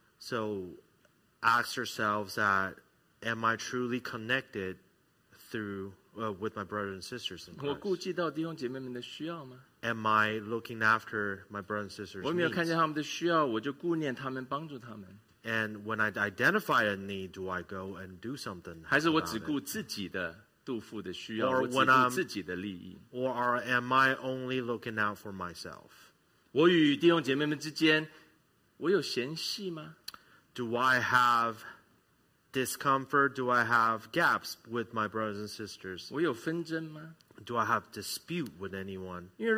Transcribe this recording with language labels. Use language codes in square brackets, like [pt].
[en] So ask yourselves that am I truly connected through with my brothers and sisters in Christ? [zh] 我顾及到弟兄姐妹们的需要吗? [en] Am I looking after my brothers and sisters? [zh] 我没有看见他们的需要，我就顾念他们，帮助他们。 [en] And when I identify a need, do I go and do something? [zh] 还是我只顾自己的肚腹的需要，我只顾自己的利益？ [en] Or am I only looking out for myself? [zh] 我与弟兄姐妹们之间，我有嫌隙吗？ [en] Do I have discomfort? Do I have gaps with my brothers and sisters? [zh] 我有纷争吗？ [en] Do I have dispute with anyone?